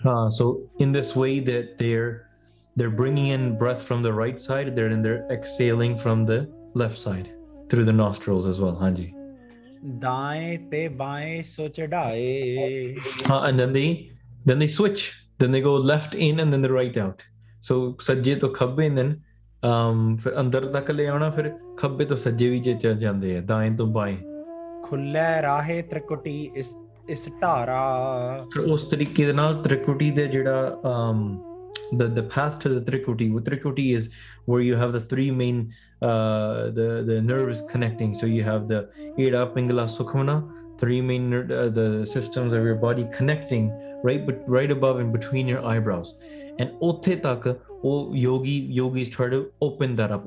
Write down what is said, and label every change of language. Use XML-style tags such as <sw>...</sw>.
<en>So in this way that they're bringing in breath from the right side, they're exhaling from the left side through the nostrils as well, Anji.</en> <pa>Daaye te baaye so chadaaye.</pa> <en>And then they switch. Then they go left in and then the right out. So</en> <pa>sajje to khabbe</pa> <en>and then.</en> <pa>ਫਿਰ ਅੰਦਰ ਤੱਕ ਲਿਆਉਣਾ ਫਿਰ ਖੱਬੇ ਤੋਂ ਸੱਜੇ ਵੀ ਚੱਲ ਜਾਂਦੇ ਆ ਦਾਏ ਤੋਂ ਬਾਏ ਖੁੱਲੇ ਰਾਹੇ ਤ੍ਰਿਕੁਟੀ ਇਸ ਧਾਰਾ ਫਿਰ ਉਸ ਤਰੀਕੇ ਦੇ ਨਾਲ ਤ੍ਰਿਕੁਟੀ ਦੇ ਜਿਹੜਾ</pa> <en>the path to the trikuti. Trikuti is where you have the three main the nerves connecting. So you have the ida pingala sukhamana, three main the systems of your body connecting right above and between your eyebrows. And</en> <pa>othe tak oh</pa> <en>yogis try to open that up.</en>